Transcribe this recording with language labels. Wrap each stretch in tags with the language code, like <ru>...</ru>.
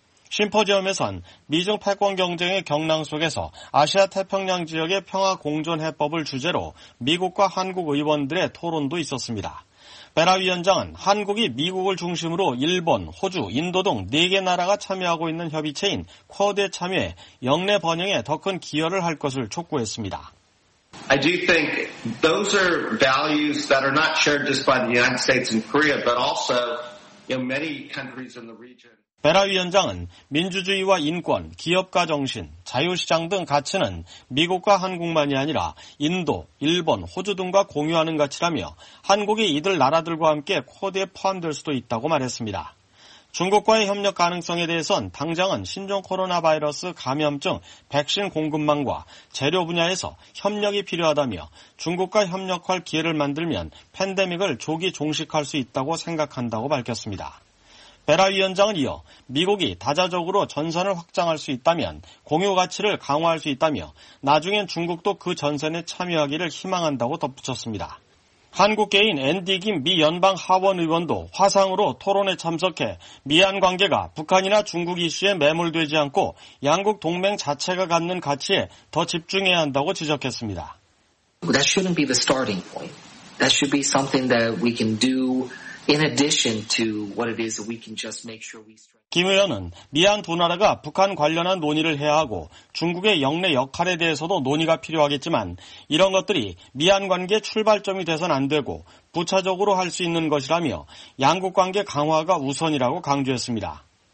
<ko>심포지엄에선 미중 패권 경쟁의 격랑 속에서 아시아 태평양 지역의 평화 공존 해법을 주제로 미국과 한국 의원들의 토론도 있었습니다. 베라 위원장은 한국이 미국을 중심으로 일본, 호주, 인도 등 4개 나라가 참여하고 있는 협의체인 쿼드에 참여해 역내 번영에 더 큰 기여를 할 것을 촉구했습니다.</ko> <en>I do think those are values that are not shared just by the United States and Korea, but also many countries in the region.</en> <ko>베라 위원장은 민주주의와 인권, 기업가 정신, 자유시장 등 가치는 미국과 한국만이 아니라 인도, 일본, 호주 등과 공유하는 가치라며 한국이 이들 나라들과 함께 쿼드에 포함될 수도 있다고 말했습니다. 중국과의 협력 가능성에 대해선 당장은 신종 코로나 바이러스 감염증 백신 공급망과 재료 분야에서 협력이 필요하다며 중국과 협력할 기회를 만들면 팬데믹을 조기 종식할 수 있다고 생각한다고 밝혔습니다. 베라 위원장은 이어 미국이 다자적으로 전선을 확장할 수 있다면 공유 가치를 강화할 수 있다며 나중엔 중국도 그 전선에 참여하기를 희망한다고 덧붙였습니다. 한국계인 앤디 김 미 연방 하원 의원도 화상으로 토론에 참석해 미한 관계가 북한이나 중국 이슈에 매몰되지 않고 양국 동맹 자체가 갖는 가치에 더 집중해야 한다고 지적했습니다.</ko> <en>That shouldn't be the starting point. That should be something that we can do. In addition to what it is, we can just make sure we strike.</en> <ko>김 의원은 미한 두 나라가 북한 관련한 논의를 해야 하고 중국의 역내 역할에 대해서도 논의가 필요하겠지만 이런 것들이 미한 관계 출발점이 돼선 안 되고 부차적으로 할 수 있는 것이라며 양국 관계 강화가 우선이라고 강조했습니다.</ko>